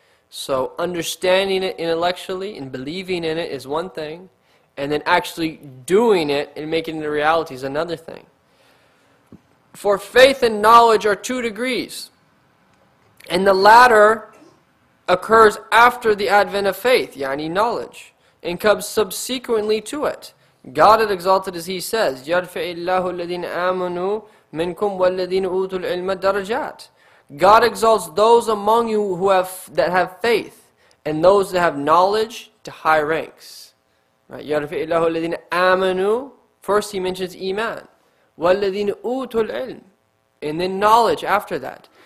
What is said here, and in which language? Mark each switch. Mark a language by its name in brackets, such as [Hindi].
[English] So understanding it intellectually and believing in it is one thing, and then actually doing it and making it a reality is another thing. For faith and knowledge are 2 degrees, and the latter occurs after the advent of faith, yani knowledge, and comes subsequently to it. God is exalted as he says, [Arabic] يَرْفَعِ اللَّهُ الَّذِينَ آمَنُوا مِنْكُمْ وَالَّذِينَ أُوتُوا الْعِلْمَ دَرَجَاتِ. [English] God exalts those among you who have that have faith, and those that have knowledge to high ranks. [Arabic] يَرْفَعِ اللَّهُ الَّذِينَ آمَنُوا. [English] First he mentions iman. [Arabic] وَالَّذِينَ أُوتُوا الْعِلْمِ, [English] and then knowledge after that.